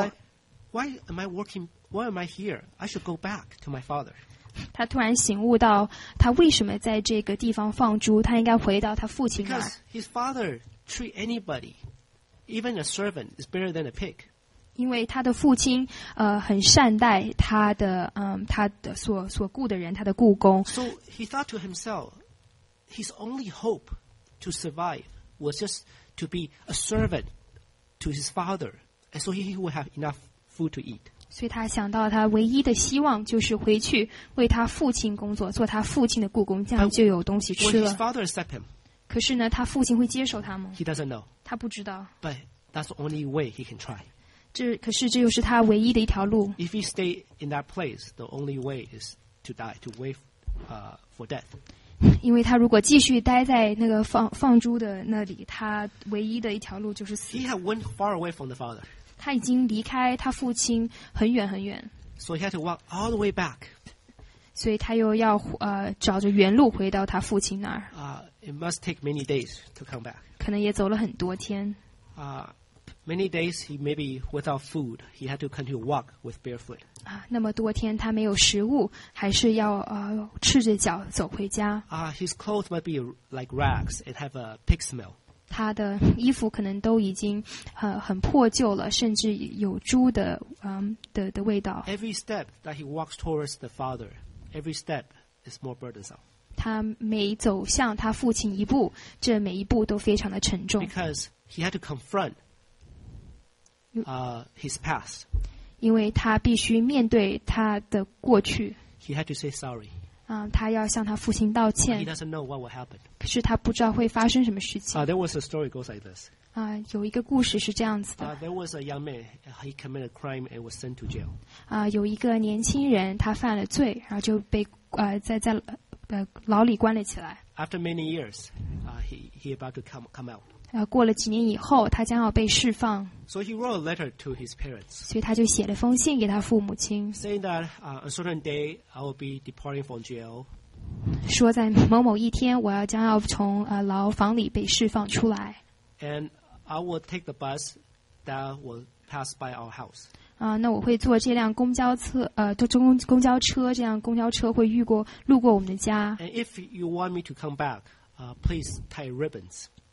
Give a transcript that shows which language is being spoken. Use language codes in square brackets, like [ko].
[en] He realized that, why am I working? Why am I here? I should go back to my father. [zh] 他突然醒悟到，他为什么在这个地方放猪？他应该回到他父亲那儿。 [en] Because his father. Treat anybody, even a servant, is better than a pig. [zh] 因为他的父亲很善待他的他的所雇的人，他的雇工。 [en] So he thought to himself, his only hope to survive was just to be a servant to his father, and so he would have enough food to eat. [zh] 所以他想到他唯一的希望就是回去为他父亲工作，做他父亲的雇工，这样就有东西吃了。 [en] But when his father accepted him. [zh] 可是呢，他父亲会接受他吗 [en] ？He doesn't know. [zh] 他不知道。 [en] But that's the only way he can try. [zh] 可是这又是他唯一的一条路。 [en] If he stay in that place, the only way is to die, to wait, for death. [zh] 因为他如果继续待在那个放猪的那里，他唯一的一条路就是死。 [en] He had went far away from the father. [zh] 他已经离开他父亲很远很远。 [en] So he had to walk all the way back. [zh] 所以他又要找着原路回到他父亲那儿。 [en] It must take many days to come back. [zh] 可能也走了很多天。 [en] Many days he may be without food. He had to continue to walk with barefoot. [zh] 啊，那么多天他没有食物，还是要赤着脚走回家。 [en] His clothes might be like rags and have a pig smell. [zh] 他的衣服可能都已经很破旧了，甚至有猪的的味道。 [en] Every step that he walks towards the Father, every step is more burdensome. [zh] 他每走向他父亲一步，这每一步都非常的沉重。 [en] Because he had to confront. His past. [zh] 因为他必须面对他的过去。 [en] He had to say sorry. [zh] 他要向他父亲道歉。 [en] He doesn't know what will happen. [zh] 可是他不知道会发生什么事情。 [en] There was a story goes like this. [zh] 有一个故事是这样子的。 [en] There was a young man. He committed a crime and was sent to jail. [zh] 有一个年轻人，他犯了罪，然后就被在牢里关了起来。 [en] After many years, he about to come out. [zh] 过了几年以后，他将要被释放。 [en] So he wrote a letter to his parents. [zh] 所以他就写了封信给他父母亲。 [en] Saying that a certain day I will be departing from jail. [zh] 说在某某一天，我要将要从牢房里被释放出来。 [en] And I will take the bus that will pass by our house. [zh] 那我会坐这辆公交车，公交车，这辆公交车会路过我们的家。 [en] And if you want me to come back, please tie ribbons.